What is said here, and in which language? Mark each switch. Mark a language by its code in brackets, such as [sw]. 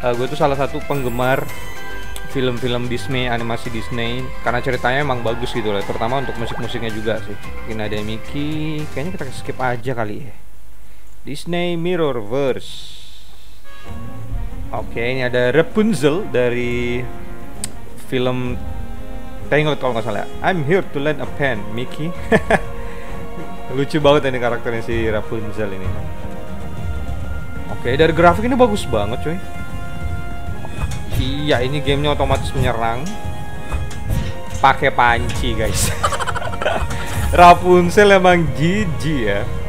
[id] Gue tuh salah satu penggemar film-film Disney, animasi Disney, karena ceritanya emang bagus gitu lah, terutama untuk musik-musiknya juga sih. Mungkin ada Mickey, kayaknya kita skip aja kali ya. Disney Mirrorverse. Oke, ini ada Rapunzel dari film Tangled kalau nggak salah. [en] I'm here to lend a pen, Mickey. [id] Lucu banget ini karakternya si Rapunzel ini. Oke, dari grafik ini bagus banget cuy. Iya, ini gamenya otomatis menyerang. Pakai panci guys. Rapunzel emang jiji ya.